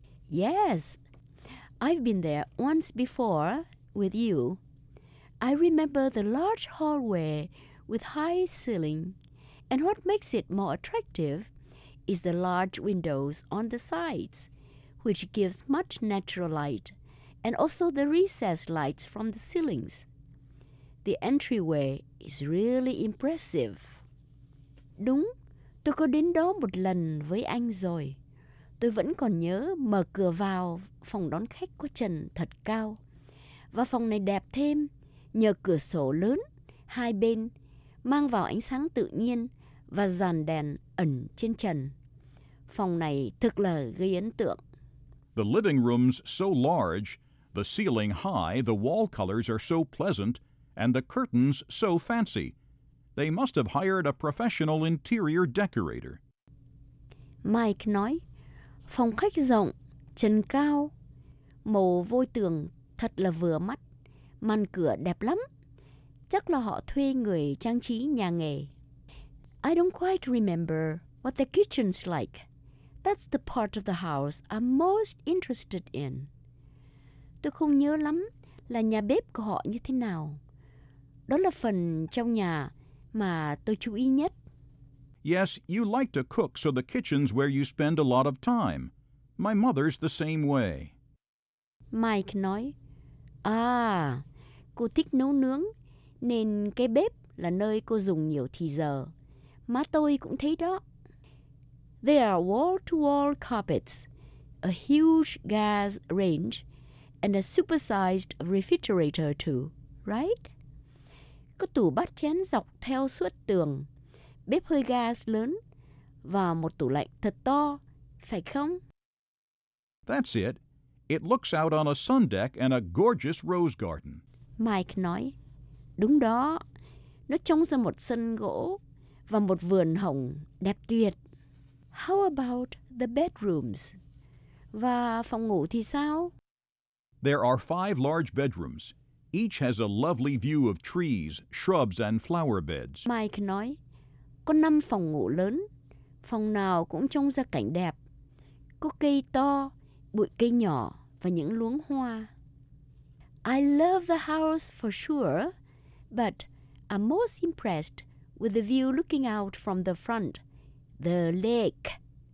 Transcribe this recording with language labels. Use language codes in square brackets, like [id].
[en] Yes, I've been there once before with you. I remember the large hallway with high ceiling. And what makes it more attractive is the large windows on the sides, which gives much natural light, and also the recessed lights from the ceilings. The entryway is really impressive. [vi] Đúng, tôi có đến đó một lần với anh rồi. Tôi vẫn còn nhớ mở cửa vào phòng đón khách có trần thật cao. Và phòng này đẹp thêm. Nhờ cửa sổ lớn, hai bên, mang vào ánh sáng tự nhiên và dàn đèn ẩn trên trần. Phòng này thực là gây ấn tượng. [en] The living room's so large, the ceiling high, the wall colors are so pleasant, and the curtains so fancy. They must have hired a professional interior decorator. [vi] Mike nói, phòng khách rộng, trần cao, màu vôi tường thật là vừa mắt. Màn cửa đẹp lắm. Chắc là họ thuê người trang trí nhà nghề. [en] I don't quite remember what the kitchen's like. That's the part of the house I'm most interested in. [vi] Tôi không nhớ lắm là nhà bếp của họ như thế nào. Đó là phần trong nhà mà tôi chú ý nhất. [en] Yes, you like to cook, so the kitchen's where you spend a lot of time. My mother's the same way. [vi] Mike nói, À, cô thích nấu nướng, nên cái bếp là nơi cô dùng nhiều thì giờ. Má tôi cũng thấy đó. [en] There are wall-to-wall carpets, a huge gas range, and a supersized refrigerator too, right? [vi] Có tủ bát chén dọc theo suốt tường, bếp hơi gas lớn, và một tủ lạnh thật to, phải không? [en] That's it. It looks out on a sun deck and a gorgeous rose garden. [vi] Mike nói, đúng đó, nó trông ra một sân gỗ và một vườn hồng đẹp tuyệt. [en] How about the bedrooms? [vi] Và phòng ngủ thì sao? [en] There are 5 large bedrooms. Each has a lovely view of trees, shrubs, and flower beds. [vi] Mike nói, có 5 phòng ngủ lớn. Phòng nào cũng trông ra cảnh đẹp. Có cây to, bụi cây nhỏ và những luống hoa. [en] I love the house for sure, but I'm most impressed with the view looking out from the front, the lake.